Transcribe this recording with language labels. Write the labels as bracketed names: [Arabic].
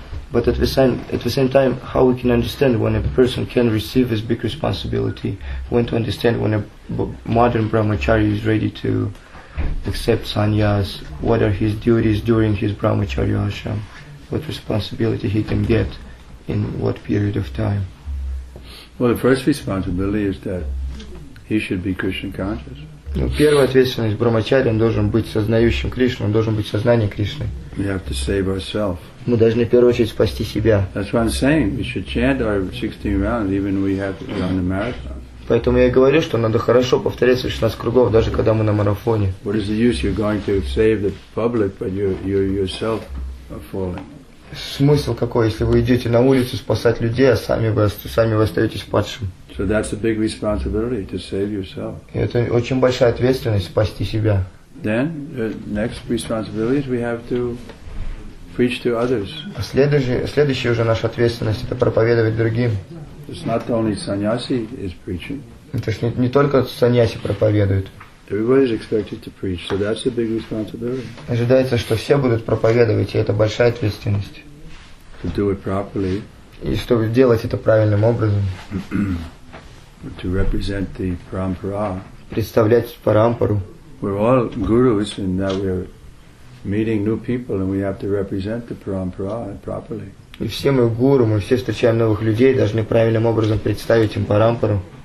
[English] But at the same time, how we can understand when a person can receive this big responsibility, when to understand when a modern brahmacharya is ready to accept sannyas, what are his duties during his brahmacharya ashram, what responsibility he can get in what period of time? Well, the first responsibility is that he should be Krishna conscious. [Russian] Первая ответственность брамачари, он должен быть сознающим Кришну, он должен быть сознанием Кришны. [English] We have to save ourselves. [Russian] Мы должны в первую очередь спасти себя. [English] That's what I'm saying. We should chant our 16 rounds even we have to run the marathon. [Russian] Поэтому я и говорю, что надо хорошо повторять 16 кругов, даже когда мы на марафоне. [English] What is the use? You're going to save the public, but you yourself are falling. [Russian] Смысл какой, если вы идете на улицу спасать людей, а сами вы остаетесь падшим? [English] So that's a big responsibility to save yourself. [Russian] И это очень большая ответственность спасти себя. [English] Then the next responsibility is we have to preach to others. [Russian] А следующая уже наша ответственность это проповедовать другим. [English] It's not only sannyasi is preaching. [Russian] Это ж не только саньяси проповедуют. [English] Everybody is expected to preach, so that's a big responsibility. [Russian] Ожидается, что все будут проповедовать, и это большая ответственность. [English] To do it properly. [Russian] И чтобы делать это правильным образом. [English] To represent the parampara. [Russian] Представлять парампару. [English] We're all gurus in that we're meeting new people, and we have to represent the parampara properly. [Russian] И все мы гуру, мы все встречаем новых людей, должны правильным образом представить им парампару.